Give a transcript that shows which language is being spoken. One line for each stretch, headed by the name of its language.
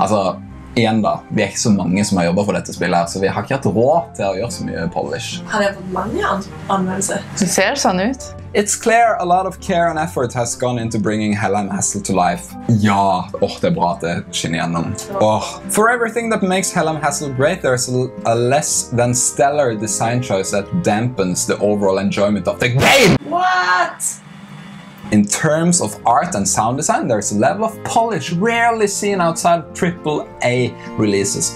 Norwegian: Altså, igjen da, vi er ikke så mange som har jobbet for dette spillet her, så vi har ikke hatt råd til å gjøre så mye polish. Har jeg fått mange anmeldelser? Det ser sånn ut.
English: It's clear a lot of care and effort has gone into bringing Hallam Hassel to life.
Norwegian: Ja, åh, det er bra at det skinner gjennom. Åh.
English: For everything that makes Hallam Hassel great, there's a less than stellar design choice that dampens the overall enjoyment of the game! What? In terms of art and sound design, there's a level of polish rarely seen outside AAA releases.